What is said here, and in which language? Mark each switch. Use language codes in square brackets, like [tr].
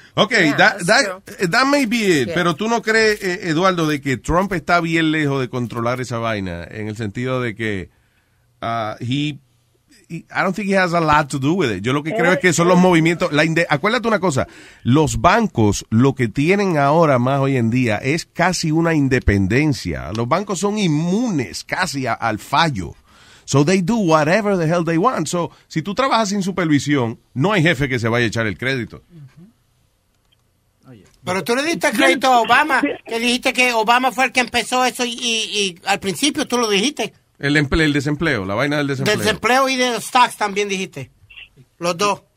[en] Okay, that may be it, yeah. [es] Pero tú no crees, Eduardo, de que Trump está bien lejos de controlar esa vaina, en el sentido de que [en] I don't think it has a lot to do with it. [es] Yo lo que creo es que son los movimientos. Acuérdate una cosa. Los bancos, lo que tienen ahora más hoy en día, es casi una independencia. Los bancos son inmunes casi al fallo. [en] So they do whatever the hell they want. [es] So si tú trabajas sin supervisión, no hay jefe que se vaya a echar el crédito. Pero tú le diste crédito a Obama, que dijiste que Obama fue el que empezó eso y al principio tú lo dijiste. El desempleo, la vaina del desempleo. Desempleo y de stocks también dijiste, los dos.